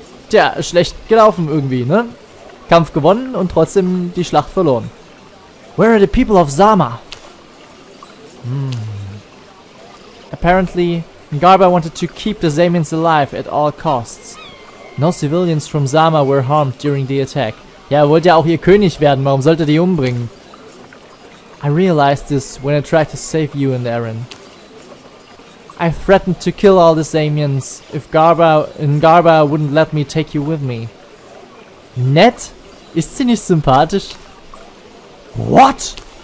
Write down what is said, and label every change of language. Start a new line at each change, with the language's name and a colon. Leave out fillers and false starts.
German: Tja, schlecht gelaufen irgendwie, ne? Kampf gewonnen und trotzdem die Schlacht verloren.
English: Where are the people of Zama? Apparently, Ngarba wanted to keep the Zamians alive at all costs. No civilians from Zama were harmed during the attack.
German: Ja, er wollte ja auch ihr König werden, warum sollte er die umbringen?
English: I realized this when I tried to save you and Aaron. I threatened to kill all the Zamians if Ngarba wouldn't let me take you with me.
German: Nett? Ist sie nicht sympathisch?
English: What?